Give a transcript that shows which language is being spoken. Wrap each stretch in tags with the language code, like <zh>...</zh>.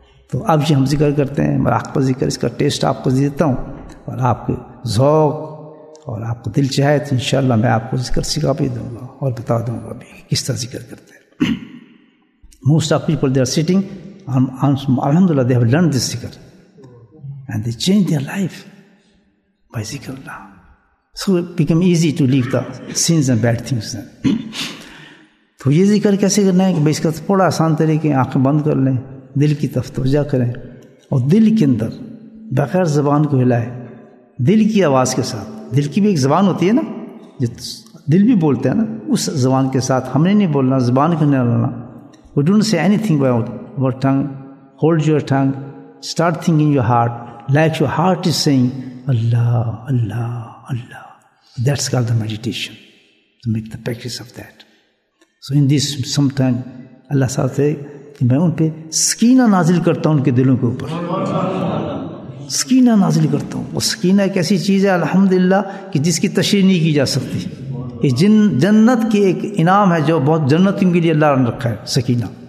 <ur>تو اب یہ ہم ذکر کرتے ہیں مراقبہ ذکر, اس کا ٹیسٹ آپ کو دیتا ہوں اور آپ کے ذوق اور آپ کو دل چاہے تو انشاءاللہ میں آپ کو ذکر سکھا بھی دوں گا اور بتا دوں گا بھی کس طرح ذکر کرتے ہیں.</ur> <en>Most of people they are sitting الحمد للہ they have learn this ذکر and they change their life by zikrullah. So it become easy to leave the sins and bad things.</en> <ur>تو یہ ذکر کیسے کرنا ہے کہ بھائی اس کا تھوڑا آسان طریقے, آنکھیں بند کر لیں, دل کی طرف توجہ کریں اور دل کے اندر بغیر زبان کو ہلائے دل کی آواز کے ساتھ. دل کی بھی ایک زبان ہوتی ہے نا, جو دل بھی بولتے ہیں نا, اس زبان کے ساتھ ہم نے نہیں بولنا, زبان کو نہیں ہلانا.</ur> <en>We don't say anything about our tongue, hold your tongue, start thinking your heart like your heart is saying Allah, Allah, Allah. That's called the meditation. To make the practice of that. So in this sometime Allah saw that</en> <ur>میں ان پہ سکینہ نازل کرتا ہوں ان کے دلوں کے اوپر, سکینہ نازل کرتا ہوں. وہ سکینہ ایک ایسی چیز ہے الحمدللہ کہ جس کی تشریح نہیں کی جا سکتی. یہ جنت کے ایک انعام ہے جو بہت جنتوں کے لیے اللہ نے رکھا ہے سکینہ.</ur>